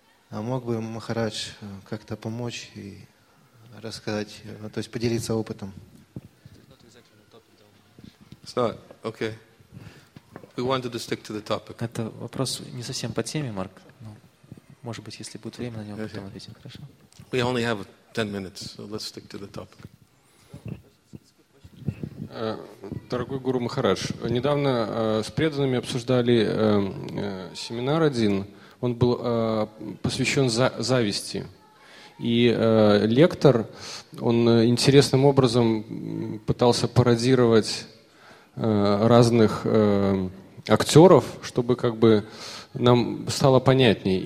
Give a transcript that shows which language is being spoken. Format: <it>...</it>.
<ru>А мог бы Махарадж как-то помочь и рассказать, то есть поделиться опытом?</ru> <en>It's not, okay. We wanted to stick to the topic.</en> <ru>Это вопрос не совсем по теме, Марк. Но, может быть, если будет время, на него потом ответим. Хорошо?</ru> <en>We only have 10 minutes, so let's stick to the topic.</en> <ru>Дорогой Гуру Махарадж, недавно с преданными обсуждали семинар один. Он был посвящен зависти. И лектор, он интересным образом пытался пародировать разных актеров, чтобы как бы нам стало понятней.</ru>